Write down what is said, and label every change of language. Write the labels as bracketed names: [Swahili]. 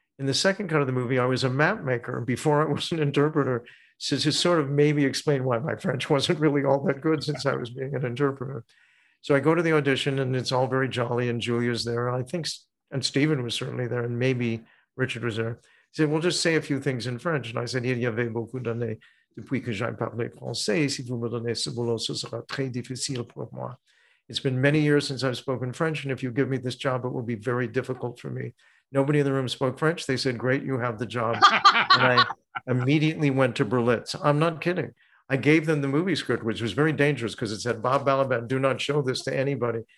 [English] In the second cut of the movie, I was a map maker before I was an interpreter. So to sort of maybe explain why my French wasn't really all that good since I was being an interpreter. So I go to the audition and it's all very jolly and Julia's there. I think, and Steven was certainly there and maybe Richard was there. He said, well, just say a few things in French. [French] And I said, il y avait beaucoup d'années depuis que j'ai parlé français. Si vous me donnez ce boulot, ce sera très difficile pour moi. [English] It's been many years since I've spoken French. And if you give me this job, it will be very difficult for me. Nobody in the room spoke French. They said, great, you have the job. And I immediately went to Berlitz. I'm not kidding. I gave them the movie script, which was very dangerous because it said, Bob Balaban, do not show this to anybody.